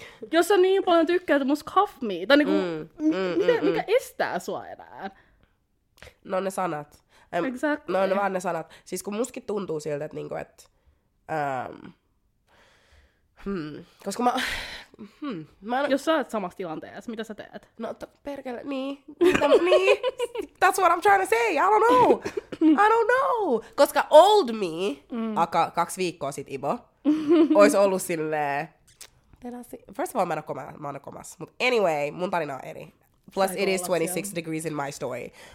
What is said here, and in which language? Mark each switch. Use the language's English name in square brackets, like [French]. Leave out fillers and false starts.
[Finnish] Jos sä niin paljon tykkäät, [English] must cuff me. [Finnish] Tai niin kuin, mikä estää sua enää? No ne sanat. [English] Exactly. [Finnish] No, vaan ne sanat. Siis kun mustakin tuntuu siltä, että niinku, et, koska mä... mä en... Jos sä oot samassa tilanteessa, mitä sä teet? No, perkele, niin. Niin. [English] That's what I'm trying to say. I don't know. I don't know. [Finnish] Koska [English] old me, [Finnish] aika 2 viikkoa sit Ibo, ois ollut silleen... [English] First of all, [Finnish] mä en oo komas. Mut [English] anyway, [Finnish] mun tarina on eri. [English] Plus it is 26 degrees in my story.